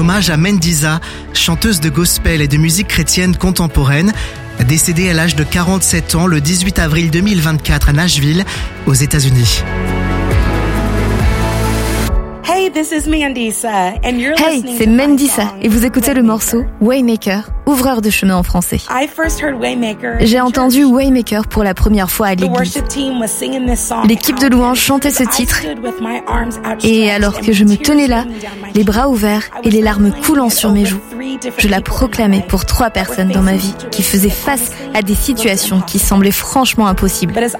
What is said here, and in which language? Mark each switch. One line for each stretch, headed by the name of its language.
French: À Mendiza, chanteuse de gospel et de musique chrétienne contemporaine, décédée à l'âge de 47 ans le 18 avril 2024 à Nashville, aux États-Unis.
English: Hey, this is Mandisa, and you're listening.
French: Hey, c'est Mandisa, et vous écoutez le morceau Waymaker, ouvreur de chemin en français.
English: I first heard Waymaker.
French: J'ai entendu Waymaker pour la première fois à l'église. L'équipe de louanges chantait ce titre, et alors que je me tenais là, les bras ouverts et les larmes coulant sur mes joues, je la proclamais pour trois personnes dans ma vie qui faisaient face à des situations qui semblaient franchement impossibles.